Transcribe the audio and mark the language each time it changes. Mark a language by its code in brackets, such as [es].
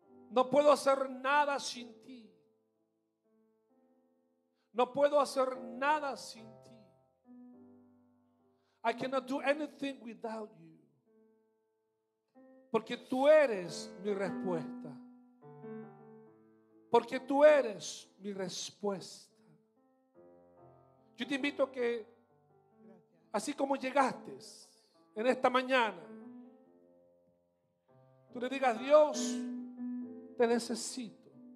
[es] No puedo hacer nada sin ti. No puedo hacer nada sin ti. [en] I cannot do anything without you. [es] Porque tú eres mi respuesta. Porque tú eres mi respuesta. Yo te invito a que, así como llegaste en esta mañana, tú le digas, Dios, te necesito.